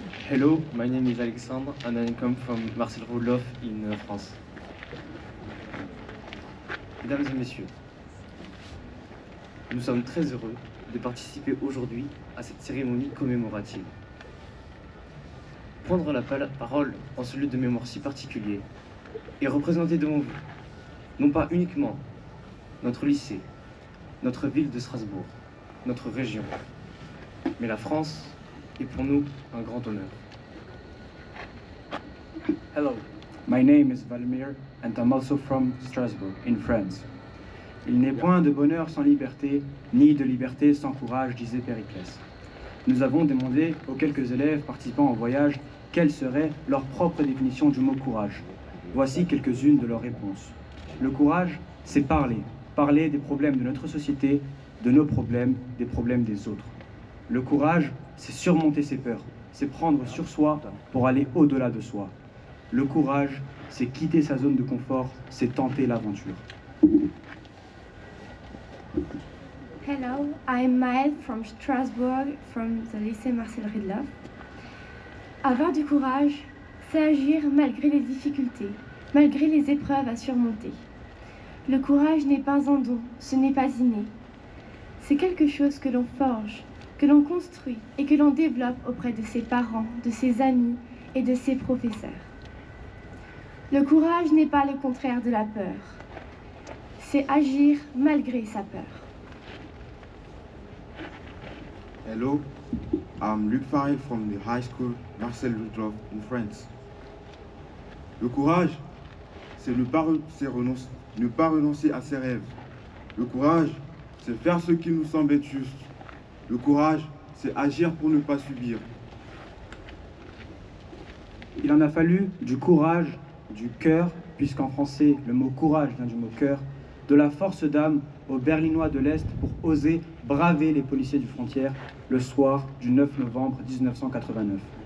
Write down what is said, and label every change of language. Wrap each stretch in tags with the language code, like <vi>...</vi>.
<en>Hello, my name is Alexandre and I come from Marcel Roloff in France.</en> <fr>Mesdames et messieurs, nous sommes très heureux de participer aujourd'hui à cette cérémonie commémorative. Prendre la parole en ce lieu de mémoire si particulier et représenter devant vous, non pas uniquement notre lycée, notre ville de Strasbourg, notre région, mais la France est pour nous un grand honneur.</fr> <en>Hello, my name is Valmir and I'm also from Strasbourg in France.</en> <fr>Il n'est point de bonheur sans liberté, ni de liberté sans courage, disait Périclès. Nous avons demandé aux quelques élèves participant au voyage quelle serait leur propre définition du mot courage. Voici quelques-unes de leurs réponses. Le courage, c'est parler. Parler des problèmes de notre société, de nos problèmes, des problèmes des autres. Le courage, c'est surmonter ses peurs. C'est prendre sur soi pour aller au-delà de soi. Le courage, c'est quitter sa zone de confort, c'est tenter l'aventure.</fr> <en>Hello, I'm Maëlle from Strasbourg, from the lycée Marcel Roloff.</en> <fr>Avoir du courage, c'est agir malgré les difficultés, malgré les épreuves à surmonter. Le courage n'est pas un don, ce n'est pas inné. C'est quelque chose que l'on forge, que l'on construit et que l'on développe auprès de ses parents, de ses amis et de ses professeurs. Le courage n'est pas le contraire de la peur. C'est agir malgré sa peur.</fr> <en>Hello, I'm Luc Farrell from the high school Marcel Roloff in France.</en> <fr>Le courage, c'est ne pas renoncer à ses rêves. Le courage, c'est faire ce qui nous semble être juste. Le courage, c'est agir pour ne pas subir. Il en a fallu du courage, du cœur, puisqu'en français le mot courage vient du mot cœur, de la force d'âme aux Berlinois de l'Est pour oser braver les policiers du frontière le soir du 9 novembre 1989.</fr>